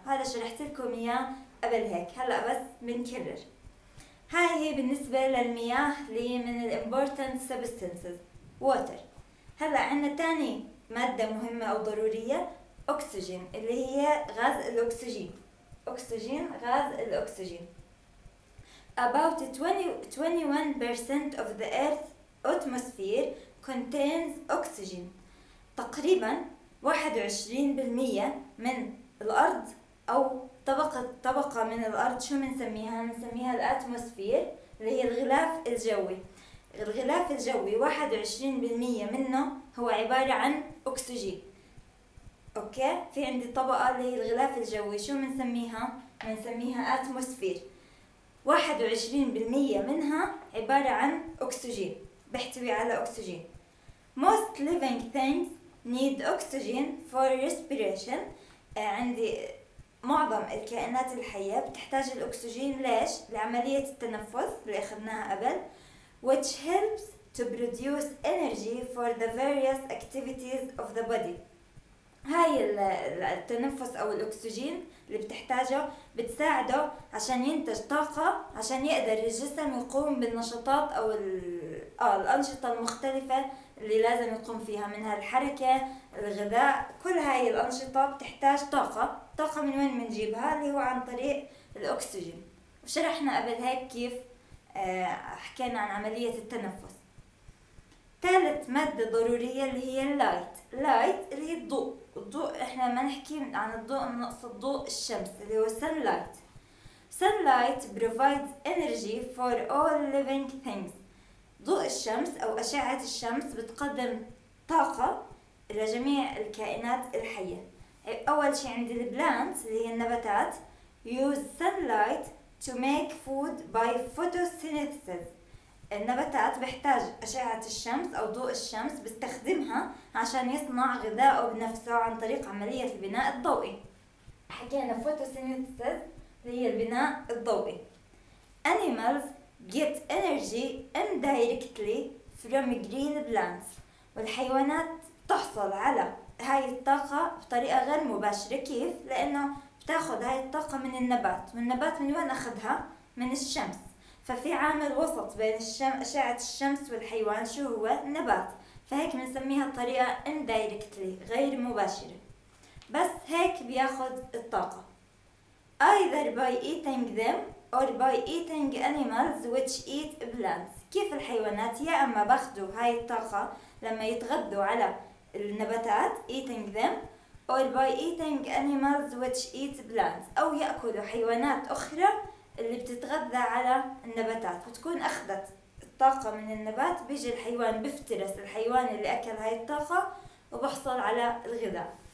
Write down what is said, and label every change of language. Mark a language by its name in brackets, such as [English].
[Arabic] هذا شرحت لكم إياه قبل هيك، هلأ بس بنكرر. هاي هي بالنسبة للمياه اللي من الـ [English] important substances [Arabic] water. هلأ عنا تاني مادة مهمة أو ضرورية، أكسجين اللي هي غاز الأكسجين. أكسجين غاز الأكسجين. [English] About 21% of the earth's atmosphere contains oxygen. [Arabic] تقريباً 21% من الأرض أو طبقة من الأرض، شو بنسميها؟ بنسميها الأتموسفير اللي هي الغلاف الجوي. الغلاف الجوي 21% منه هو عبارة عن أكسجين. أوكي، في عندي طبقة اللي هي الغلاف الجوي، شو بنسميها؟ بنسميها أتموسفير. 21% منها عبارة عن أكسجين، بحتوي على أكسجين. [English] Most living things need oxygen for respiration. [Arabic] عندي معظم الكائنات الحية بتحتاج الأكسجين. ليش؟ لعملية التنفس اللي أخذناها قبل، [English] which helps to produce energy for the various activities of the body. [Arabic] هاي التنفس أو الأكسجين اللي بتحتاجه بتساعده عشان ينتج طاقة عشان يقدر الجسم يقوم بالنشاطات أو الأنشطة المختلفة اللي لازم يقوم فيها، منها الحركة، الغذاء. كل هاي الأنشطة بتحتاج طاقة. طاقة من وين منجيبها؟ اللي هو عن طريق الأكسجين. وشرحنا قبل هيك كيف حكينا عن عملية التنفس. ثالث مادة ضرورية اللي هي اللايت. اللايت اللي هي الضوء. الضوء احنا ما نحكي عن الضوء، نقصد ضوء الشمس اللي هو سن لايت. [English] Sunlight provides energy for all living things. [Arabic] ضوء الشمس او اشعة الشمس بتقدم طاقة لجميع الكائنات الحية. اول شيء عند البلانت اللي هي النباتات [English] use sunlight to make food by photosynthesis. [Arabic] النباتات بيحتاج أشعة الشمس أو ضوء الشمس بيستخدمها عشان يصنع غذائه بنفسه عن طريق عملية البناء الضوئي. حكينا photosynthesis اللي هي البناء الضوئي. [English] Animals get energy indirectly from green plants. [Arabic] والحيوانات تحصل على هاي الطاقة بطريقة غير مباشرة. كيف؟ لأنه بتاخذ هاي الطاقة من النبات، والنبات من وين أخذها؟ من الشمس. ففي عامل وسط بين أشعة الشمس والحيوان، شو هو؟ النبات. فهيك بنسميها طريقة indirectly، غير مباشرة، بس هيك بياخد الطاقة [English] either by eating them or by eating animals which eat plants. [Arabic] كيف الحيوانات؟ يا أما باخدوا هاي الطاقة لما يتغذوا على النباتات [English] eating them or by eating animals which eat plants، [Arabic] أو يأكلوا حيوانات أخرى اللي بتتغذى على النباتات. بتكون أخذت الطاقة من النبات، بيجي الحيوان بفترس الحيوان اللي أكل هاي الطاقة وبحصل على الغذاء.